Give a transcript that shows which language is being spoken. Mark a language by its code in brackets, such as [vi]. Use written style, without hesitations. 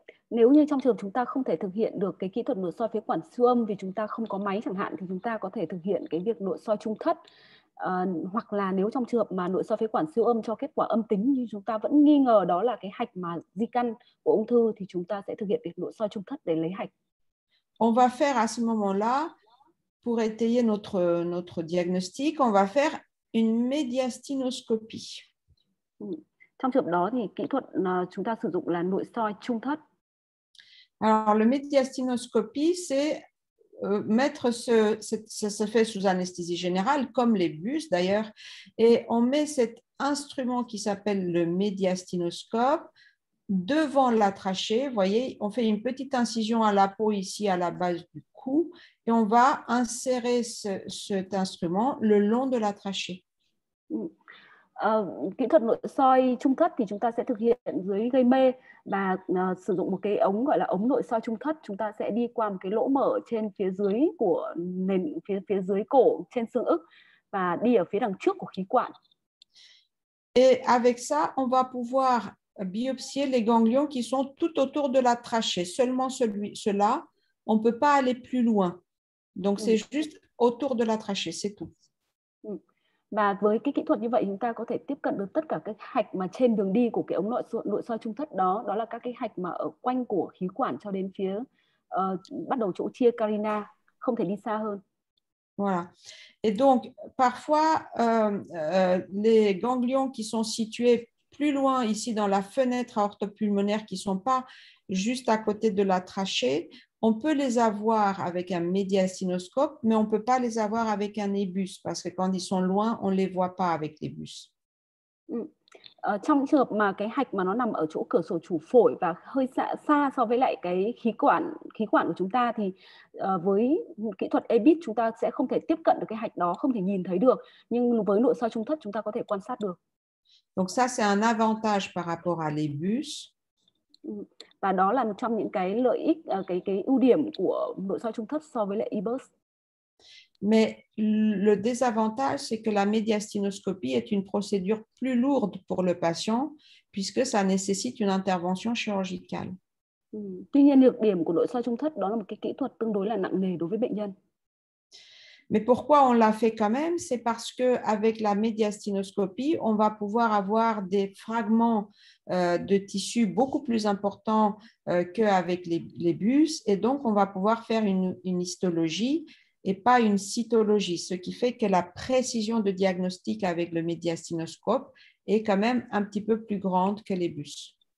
[vi] Nếu như trong trường hợp chúng ta không thể thực hiện được cái kỹ thuật nội soi phế quản siêu âm vì chúng ta không có máy chẳng hạn thì chúng ta có thể thực hiện cái việc nội soi trung thất hoặc là nếu trong trường hợp mà nội soi phế quản siêu âm cho kết quả âm tính nhưng chúng ta vẫn nghi ngờ đó là cái hạch mà di căn của ung thư thì chúng ta sẽ thực hiện việc nội soi trung thất để lấy hạch. [fr] On va faire à ce moment-là pour étayer notre diagnostic, on va faire une médiastinoscopie. [vi] Trong trường hợp đó thì kỹ thuật chúng ta sử dụng là nội soi trung thất. [fr] Alors, la médiastinoscopie, c'est mettre ça se fait sous anesthésie générale, comme les bus d'ailleurs, et on met cet instrument qui s'appelle le médiastinoscope devant la trachée. Vous voyez, on fait une petite incision à la peau ici, à la base du cou, et on va insérer cet instrument le long de la trachée. [vi] Kỹ thuật nội soi trung thất thì chúng ta sẽ thực hiện dưới gây mê và sử dụng một cái ống gọi là ống nội soi trung thất. Chúng ta sẽ đi qua một cái lỗ mở trên phía dưới của nền phía dưới cổ trên xương ức và đi ở phía đằng trước của khí quản. [fr] Et avec ça, on va pouvoir biopsier les ganglions qui sont tout autour de la trachée. Seulement cela, on ne peut pas aller plus loin. Donc c'est juste autour de la trachée, c'est tout. [vi] Và với cái kỹ thuật như vậy chúng ta có thể tiếp cận được tất cả các hạch mà trên đường đi của cái ống nội soi trung thất đó, đó là các cái hạch mà ở quanh của khí quản cho đến phía bắt đầu chỗ chia carina, không thể đi xa hơn. [fr] Voilà. Et donc, parfois, les ganglions qui sont situés plus loin, ici dans la fenêtre aorto pulmonaire, qui ne sont pas juste à côté de la trachée, on peut les avoir avec un médiastinoscope, mais on ne peut pas les avoir avec un ébus, parce que quand ils sont loin, on ne les voit pas avec l'ébus. [vi] Ở trong trường hợp mà cái hạch mà nó nằm ở chỗ cửa sổ chủ phổi và hơi xa xa so với lại cái khí quản của chúng ta thì với kỹ thuật EBIS chúng ta sẽ không thể tiếp cận được cái hạch đó, không thể nhìn thấy được, nhưng với nội soi trung thất chúng ta có thể quan sát được. [fr] Donc ça, c'est un avantage par rapport à les bus. [vi] Và đó là một trong những cái lợi ích cái ưu điểm của nội soi trung thất so với lại EBUS. [fr] Mais le désavantage, c'est que la médiastinoscopie est une procédure plus lourde pour le patient, puisque ça nécessite une intervention chirurgicale. [vi] Tuy nhiên, nhược điểm của nội soi trung thất đó là một cái kỹ thuật tương đối là nặng nề đối với bệnh nhân. [fr] Mais pourquoi on l'a fait quand même? C'est parce qu'avec la médiastinoscopie, on va pouvoir avoir des fragments de tissu beaucoup plus importants qu'avec les bus. Et donc, on va pouvoir faire une histologie et pas une cytologie, ce qui fait que la précision de diagnostic avec le médiastinoscope est quand même un petit peu plus grande que les bus.